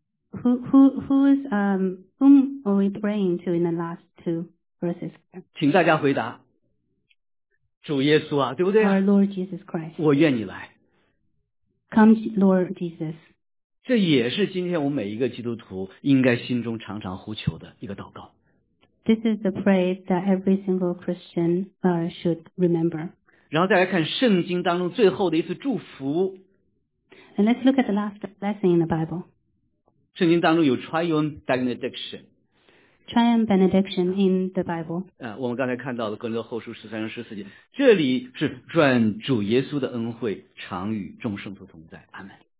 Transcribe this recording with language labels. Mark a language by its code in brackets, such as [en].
[en] Whom are we praying to in the last two verses? [zh] 请大家回答，主耶稣啊，对不对 [en] ？Our Lord Jesus Christ. [zh] 我愿你来。 [en] Come, Lord Jesus. [zh] 这也是今天我们每一个基督徒应该心中常常呼求的一个祷告。 [en] This is the prayer that every single Christian should remember. [zh] 然后再来看圣经当中最后的一次祝福。 [en] And let's look at the last blessing in the Bible. [zh] 圣经当中有 triune benediction， [en] triune benediction in the Bible。 [zh] 我们刚才看到了哥林多后书十三章十四节，这里是愿主耶稣的恩惠常与众圣徒同在，阿门。